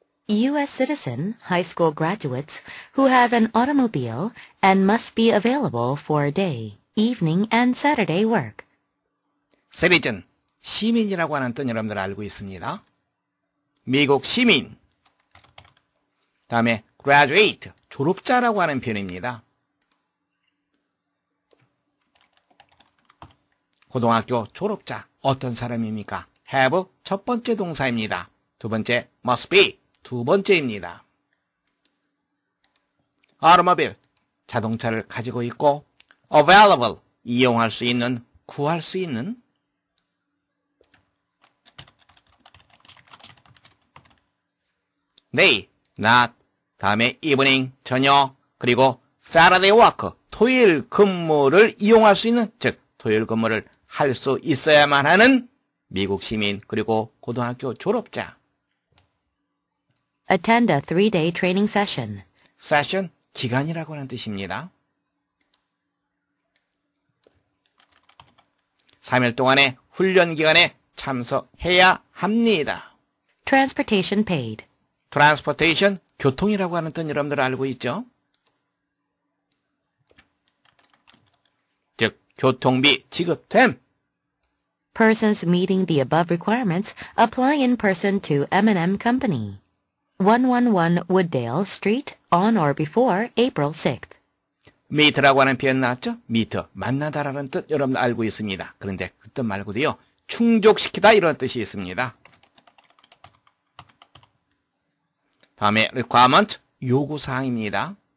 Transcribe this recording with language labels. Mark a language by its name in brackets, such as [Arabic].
[English] U.S. citizen high school graduates who have an automobile and must be available for day, evening, and Saturday work. [Korean] 시민, 시민이라고 하는 뜻 여러분들 알고 있습니다. 미국 시민. 다음에 graduate, 졸업자라고 하는 표현입니다. 고등학교 졸업자, 어떤 사람입니까? have, 첫 번째 동사입니다. 두 번째, must be. 두 번째입니다. automobile, 자동차를 가지고 있고, available, 이용할 수 있는, 구할 수 있는. 네, not, 다음에 evening, 저녁, 그리고 Saturday work, 토요일 근무를 이용할 수 있는, 즉, 토요일 근무를 할 수 있어야만 하는 미국 시민, 그리고 고등학교 졸업자. [English] Attend a 3-day training session. [Korean] Session, 기간이라고 하는 뜻입니다. 3일 동안의 훈련 기간에 참석해야 합니다. [English] Transportation paid. [Korean] Transportation, 교통이라고 하는 뜻 여러분들 알고 있죠? 즉, 교통비 지급됨. [English] Persons meeting the above requirements apply in person to M&M Company. 111 Wooddale Street, on or before April 6th. [Korean] meet라고 하는 표현 나왔죠? meet, 만나다라는 뜻 여러분 알고 있습니다. 그런데 그 뜻 말고도요, 충족시키다 이런 뜻이 있습니다. 다음에 requirement, 요구사항입니다.